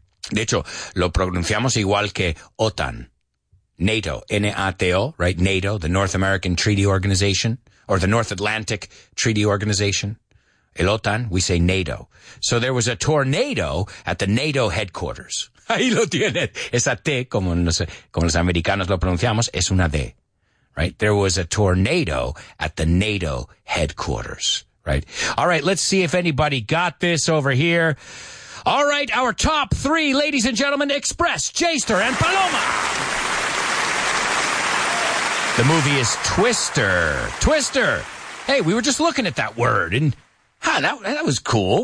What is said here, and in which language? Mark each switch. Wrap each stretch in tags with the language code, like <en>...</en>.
<es>De hecho, lo pronunciamos igual que OTAN. NATO.</es> <en>N-A-T-O, right? NATO, the North American Treaty Organization. Or the North Atlantic Treaty Organization. El OTAN, we say NATO. So there was a tornado at the NATO headquarters.</en> <es>Ahí lo tiene. Esa T, como, no sé, como los americanos lo pronunciamos, es una D.</es> <en>Right? There was a tornado at the NATO headquarters. Right? All right, let's see if anybody got this over here. All right, our top three, ladies and gentlemen, Express, Jayster, and Paloma. The movie is Twister. Twister. Hey, we were just looking at that word, and that was cool.</en>